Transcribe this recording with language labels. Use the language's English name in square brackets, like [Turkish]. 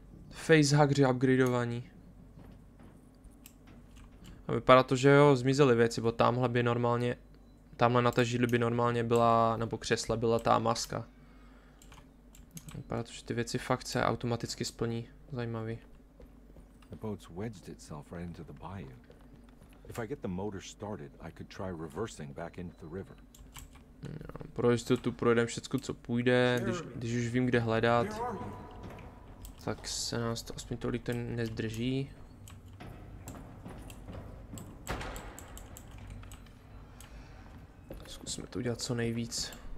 [Czech] Facehackři upgradeovaní. A vypadá to, že jo, zmizely věci, bo tamhle by normálně... Tamhle na té židli by normálně byla, nebo křesle byla ta maska. Vypadá to, že ty věci fakt se automaticky splní. Zajímavý. [English] The boat's wedged itself right into the bayou. If I get the motor started, I could try reversing back into the river. [Czech] Pro jistotu projedeme všecko, co půjde, když už vím, kde hledat. Tak se nás to aspoň tolik to nezdrží. Zkusme to udělat co nejvíc.